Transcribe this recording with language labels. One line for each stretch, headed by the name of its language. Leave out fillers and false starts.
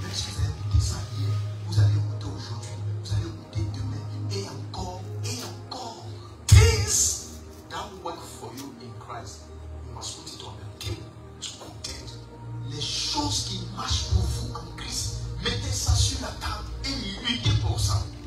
French: Même si vous avez écouté ça hier, vous allez écouter aujourd'hui, vous allez écouter demain, et encore,
English: things that work for you in Christ, you must put it on the table to contend.
French: Les choses qui marchent pour vous en Christ, mettez ça sur la table et luttez pour ça.